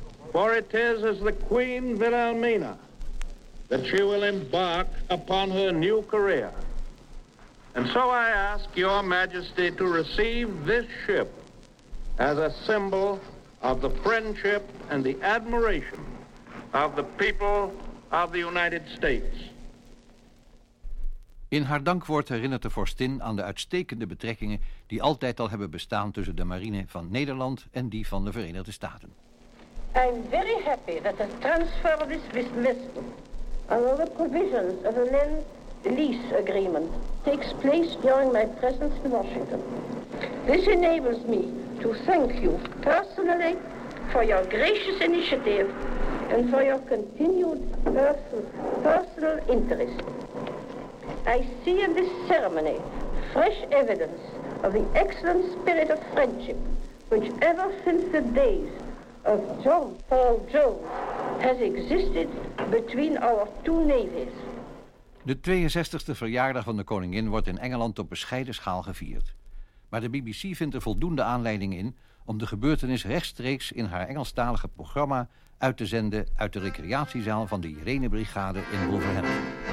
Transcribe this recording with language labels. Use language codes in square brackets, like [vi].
[en] For it is as the Queen Wilhelmina that she will embark upon her new career. And so I ask Your Majesty to receive this ship as a symbol of the friendship and the admiration of the people of the United States. [nl] In haar dankwoord herinnert de vorstin aan de uitstekende betrekkingen die altijd al hebben bestaan tussen de marine van Nederland en die van de Verenigde Staten. [en] I'm very happy that the transfer of this vessel and all the provisions of the land lease agreement takes place during my presence in Washington. This enables me to thank you personally for your gracious initiative and for your continued personal interest. I see in this ceremony fresh evidence of the excellent spirit of friendship which ever since the days of John Paul Jones has existed between our two navies. [nl] De 62e verjaardag van de koningin wordt in Engeland op bescheiden schaal gevierd. Maar de BBC vindt er voldoende aanleiding in om de gebeurtenis rechtstreeks in haar Engelstalige programma uit te zenden uit de recreatiezaal van de Irene-brigade in Wolverhampton.